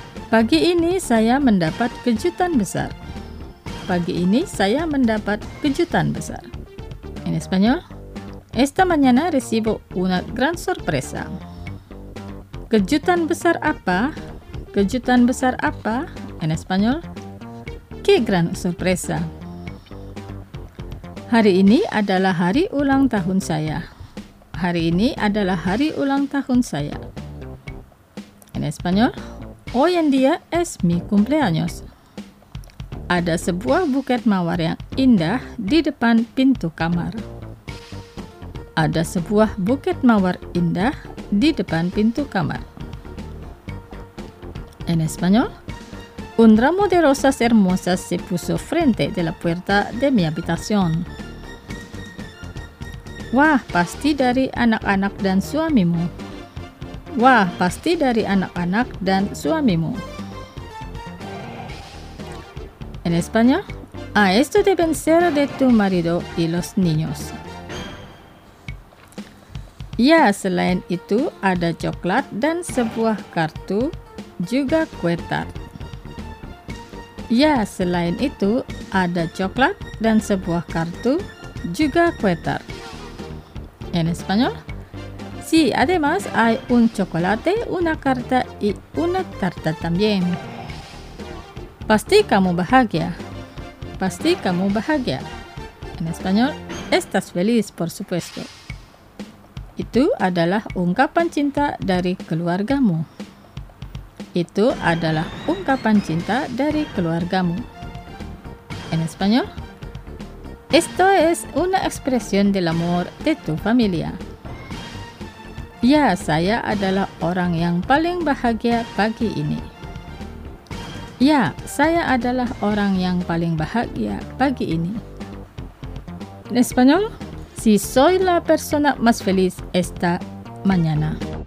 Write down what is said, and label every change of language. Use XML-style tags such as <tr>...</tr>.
<id>Pagi ini saya mendapat kejutan besar. Pagi ini saya mendapat kejutan besar.</id> <es>En español, esta mañana recibo una gran sorpresa.</es> <id>Kejutan besar apa? Kejutan besar apa?</id> <es>En español, qué gran sorpresa.</es> <id>Hari ini adalah hari ulang tahun saya. Hari ini adalah hari ulang tahun saya.</id> <es>En español, hoy en día es mi cumpleaños.</es> <id>Ada sebuah buket mawar yang indah di depan pintu kamar. Ada sebuah buket mawar indah di depan pintu kamar.</id> <es>En español, un ramo de rosas hermosas se puso frente de la puerta de mi habitación.</es> <id>Wah, pasti dari anak-anak dan suamimu. Wah, pasti dari anak-anak dan suamimu.</id> <es>En español, a esto deben ser de tu marido y los niños.</es> <id>Ya, selain itu ada coklat dan sebuah kartu, juga kue tart. Ya, selain itu ada coklat dan sebuah kartu, juga kue tart.</id> <es>En español, sí, además hay un chocolate, una carta y una tarta también.</es> <id>Pasti kamu bahagia. Pasti kamu bahagia.</id> <es>En español, estás feliz, por supuesto.</es> <id>Itu adalah ungkapan cinta dari keluargamu. Itu adalah ungkapan cinta dari keluargamu.</id> <es>En español, esto es una expresión del amor de tu familia.</es> <id>Ya, saya adalah orang yang paling bahagia pagi ini. Ya, saya adalah orang yang paling bahagia pagi ini.</id> <es>En español, si soy la persona más feliz esta mañana.</es>